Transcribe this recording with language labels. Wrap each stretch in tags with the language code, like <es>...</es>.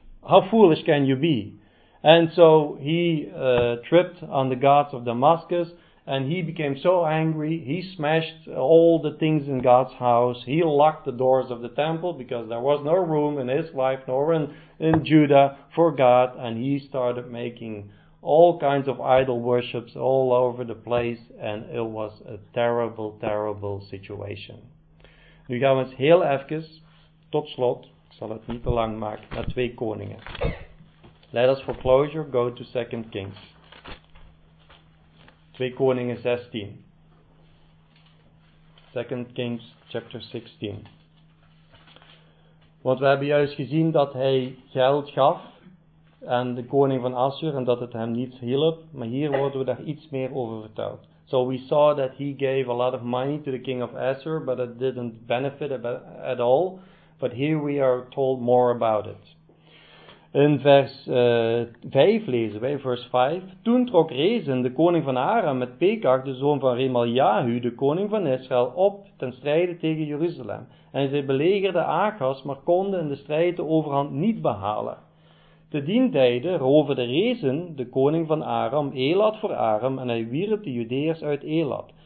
<en>How foolish can you be? And so he tripped on the gods of Damascus, and he became so angry, he smashed all the things in God's house, he locked the doors of the temple, because there was no room in his life, nor in Judah, for God, and he started making all kinds of idol worships all over the place, and it was a terrible, terrible situation.</en> <nl>Nu gaan we eens heel even, tot slot, ik zal het niet te lang maken, naar twee koningen.</nl> <en>Let us for closure go to 2 Kings.</en> <nl>2 Koningen 16.</nl> <en>2 Kings chapter 16.</en> <nl>Want we hebben juist gezien dat hij geld gaf aan de koning van Assyr en dat het hem niets hielp. Maar hier worden we daar iets meer over verteld.</nl> <en>So we saw that he gave a lot of money to the king of Assyr, but it didn't benefit at all. But here we are told more about it.</en> <nl>In vers 5 lezen wij, vers 5. Toen trok Rezin, de koning van Aram, met Pekach, de zoon van Remaljahu, de koning van Israël, op ten strijde tegen Jeruzalem. En zij belegerden Achas, maar konden in de strijd de overhand niet behalen. Te dien tijde roverde Rezin, de koning van Aram, Elad voor Aram, en hij wierp de Judeërs uit Elad.</nl>